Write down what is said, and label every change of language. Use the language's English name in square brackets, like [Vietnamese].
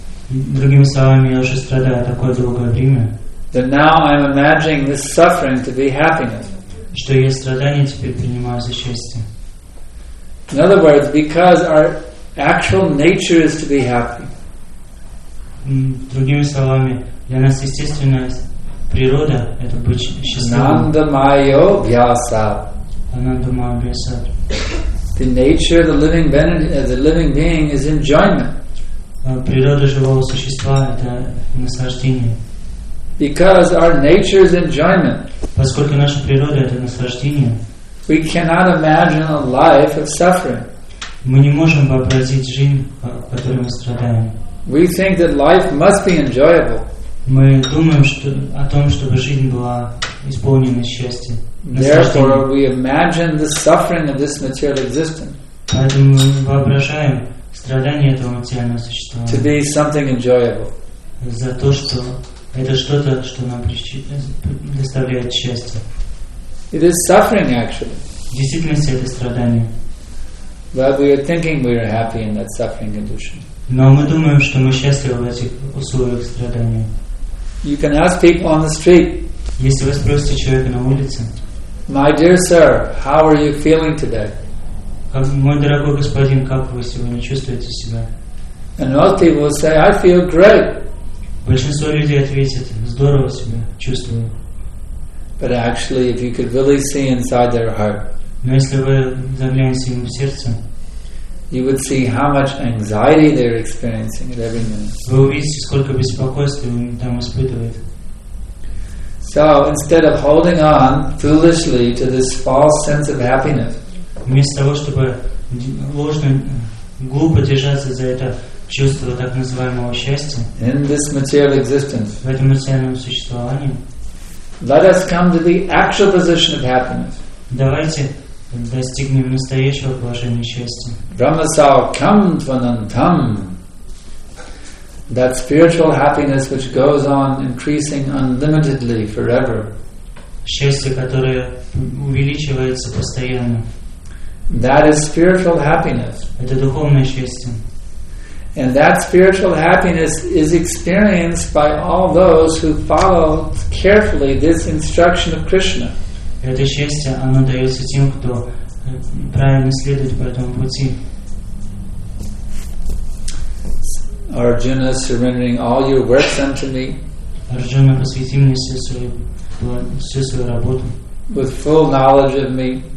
[Russian] Другими словами, я уже страдаю такое долгое время. [English] That now I'm imagining this suffering to be happiness. [Russian] Что я страдание теперь принимаю за счастье. [English] In other words, because our actual nature is to be happy. [Russian] Другими словами, для нас естественная природа – это быть счастливым. [Sanskrit] Ананда-майо вьяса. [English] The nature of the living being is enjoyment. [Russian] Природа живого существа – это наслаждение. [English] Because our nature is enjoyment. [Russian] Поскольку наша природа – это наслаждение. [English] We cannot imagine a life of suffering. [Russian] Мы не можем вообразить жизнь, в которой мы страдаем. [English] We think that life must be enjoyable. [Russian] Мы думаем о том, чтобы жизнь была исполнена счастья. [English] Therefore, we imagine the suffering of this material existence. [Russian] Поэтому мы воображаем страдания этого материального существования. [English] To be something enjoyable. [Russian] За то, что это что-то, что нам доставляет счастье. [English] It is suffering, actually. [Russian] В действительности это страдание. [English] But we are thinking we are happy in that suffering condition. [Russian] Но мы думаем, что мы счастливы в этих условиях страдания. [English] You can ask people on the street. [Russian] Если вы спросите человека на улице. [English] My dear sir, how are you feeling today? [Russian] Мой дорогой господин, как вы сегодня чувствуете себя? [English] And most people will say, I feel great. [Russian] Большинство людей ответит, здорово себя чувствую. [English] But actually, if you could really see inside their heart. [Russian] Но если вы заглянете ему в сердце. [English] You would see how much anxiety they're experiencing at every minute. [Russian] Вы увидите, сколько беспокойства он там испытывает. [English] So instead of holding on foolishly to this false sense of happiness, [Russian] вместо того чтобы ложно, глупо держаться за это чувство так называемого счастья, [English] in this material existence, [Russian] в этом материальном существовании, [English] let us come to the actual position of happiness. [Russian] Давайте достигнем настоящего положения счастья. [Sanskrit] Brahmasau kamtvanantam. [English] That spiritual happiness which goes on increasing unlimitedly forever. [Russian] Счастье, которое увеличивается постоянно. [English] That is spiritual happiness. [Russian] Это духовное счастье. [English] And that spiritual happiness is experienced by all those who follow carefully this instruction of Krishna. [Russian] Это счастье, оно дается тем, кто правильно следует по этому пути. [English] Arjuna, surrendering all your works unto me. [Russian] Arjuna, посвяти мне всю свою работу. [English] With full knowledge of me.